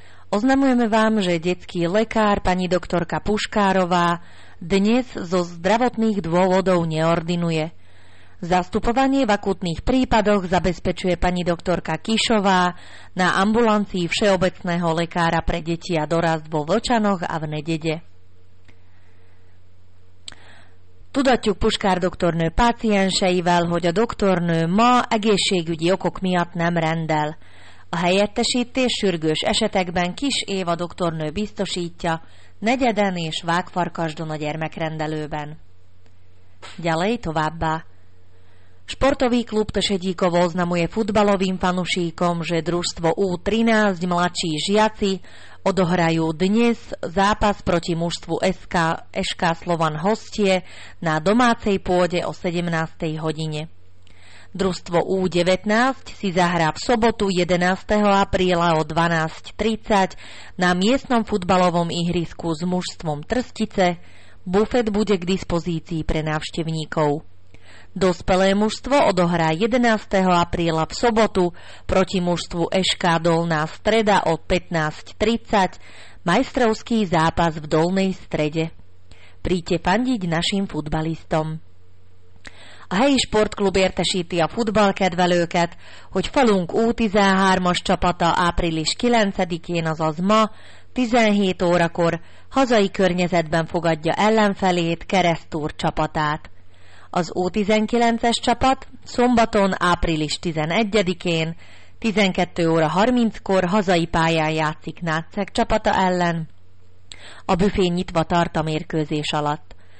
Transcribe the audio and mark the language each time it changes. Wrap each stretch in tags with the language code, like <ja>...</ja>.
<sk>Oznamujeme vám, že detský lekár pani doktorka Puškárová dnes zo zdravotných dôvodov neordinuje. Zastupovanie v akutných prípadoch zabezpečuje pani doktorka Kišová na ambulancii všeobecného lekára pre deti a dorast vo Vlčanoch a v Nedede.</sk> <hu>Tudatjuk Puskár doktornő pácienseivel, hogy a doktornő ma egészségügyi okok miatt nem rendel. A helyettesítés sürgős esetekben Kis Éva doktornő biztosítja Negyeden és Vágfarkasdon a gyermekrendelőben.</hu> <sk>Ďalej</sk> <hu>továbbá.</hu> <sk>Športový klub Tešedíkovo oznamuje futbalovým fanušíkom, že družstvo U13 mladší žiaci odohrajú dnes zápas proti mužstvu SK Slovan Hostie na domácej pôde o 17. hodine. Družstvo U19 si zahrá v sobotu 11. apríla o 12.30 na miestnom futbalovom ihrisku s mužstvom Trstice. Bufet bude k dispozícii pre návštevníkov. Dospelé mužstvo odohrá 11. apríla v sobotu proti mužstvu SK Dolná Streda o 15.30 majstrovský zápas v Dolnej Strede. Príďte fandiť našim futbalistom.</sk> <hu>A helyi sportklub értesíti a futballkedvelőket, hogy falunk U13-as csapata április 9-én, azaz ma 17 órakor hazai környezetben fogadja ellenfelét, Keresztúr csapatát. Az U19-es csapat szombaton április 11-én 12 óra 30-kor hazai pályán játszik Náczek csapata ellen a büfé nyitva tart a mérkőzés alatt.</hu>